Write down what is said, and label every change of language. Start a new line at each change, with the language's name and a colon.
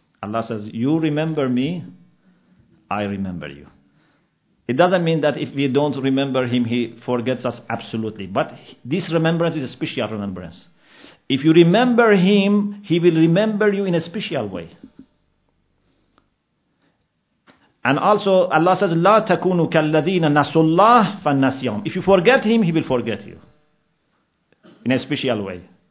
English: Allah says, you remember me, I remember you. It doesn't mean that if we don't remember Him, He forgets us absolutely. But this remembrance is a special remembrance. If you remember Him, He will remember you in a special way. And also Allah says,
Arabic: لا تكونوا كالذين نسوا الله فنسيهم.
English: If you forget Him, He will forget you in a special way.